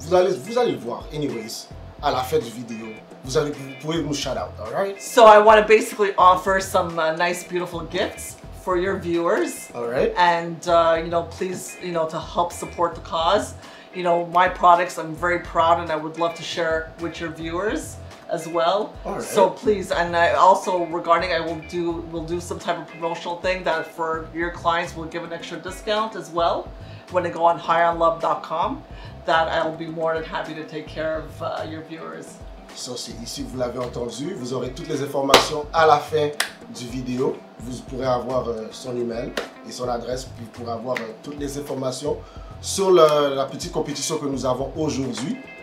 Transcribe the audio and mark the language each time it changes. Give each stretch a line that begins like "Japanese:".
French: Vous allez voir, anyways, à la fin du vidéo. Vous pouvez nous
English: shout out, all right? So I want to basically offer some nice, beautiful gifts for your viewers. All right. And, you know, please, you know, to help support the cause. You know, my products, I'm very proud and I would love to share with your viewers. As well, right. So please, and I also regarding, I will do some type of promotional thing that for your clients will give an extra discount as well when they go on highonlove.com. That I'll be more than happy to take care of your viewers.
French: So, c'est ici vous l'avez entendu. Vous aurez toutes les informations à la fin du vidéo. Vous pourrez avoir son email et son adresse, puis pour avoir toutes les informations sur la petite compétition que nous avons aujourd'hui.